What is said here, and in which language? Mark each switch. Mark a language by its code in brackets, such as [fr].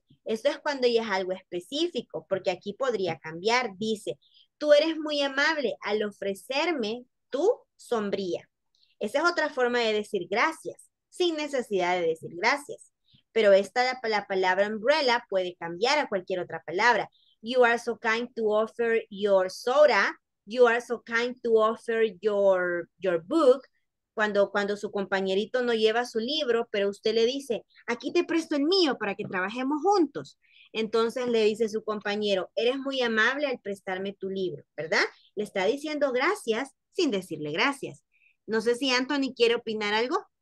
[es] Esto es cuando ya es algo específico, porque aquí podría cambiar. Dice, tú eres muy amable al ofrecerme tu sombrilla. Esa es otra forma de decir gracias, sin necesidad de decir gracias. Pero la palabra umbrella puede cambiar a cualquier otra palabra. [en] You are so kind to offer your soda. You are so kind to offer your book. [es] Cuando su compañerito no lleva su libro, pero usted le dice, aquí te presto el mío para que trabajemos juntos. Entonces le dice su compañero, eres muy amable al prestarme tu libro, ¿verdad? Le está diciendo gracias sin decirle gracias. No sé si Anthony quiere opinar algo.